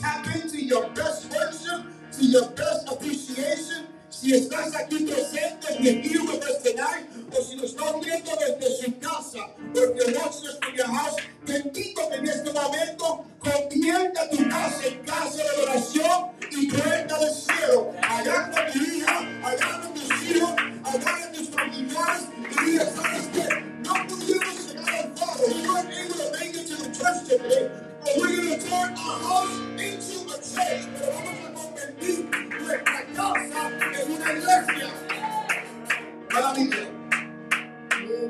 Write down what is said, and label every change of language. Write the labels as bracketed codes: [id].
[en] Tap into your best worship, to your best appreciation. [es] Si estás aquí presente, bienvenido a este night, o si lo estás viendo desde su casa, porque [en] watches from your house, [es] te invito que en este momento convierta tu casa en casa de oración y puerta del cielo. Agarra a tu hija, agarra a tus hijos, agarra a tus familiares, y diga, ¿sabes qué? No pudimos llegar al faro. [en] We weren't able to make it to the church today, but we're going to turn our house into a church. [es] Pero vamos a convertir nuestra casa en una iglesia. Para mí, ¿qué?